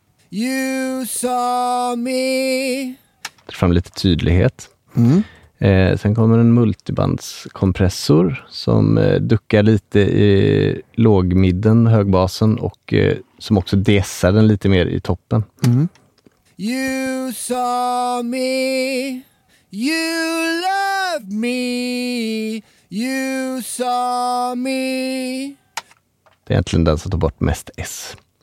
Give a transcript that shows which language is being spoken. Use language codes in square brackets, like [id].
[en] You saw me. [sv] Tar fram lite tydlighet. Mm. Sen kommer en multibandskompressor som duckar lite i lågmidden, högbasen och som också dessar den lite mer i toppen. [en] You saw me, you love me, you saw me. [sv] Det är egentligen den som tar bort mest S.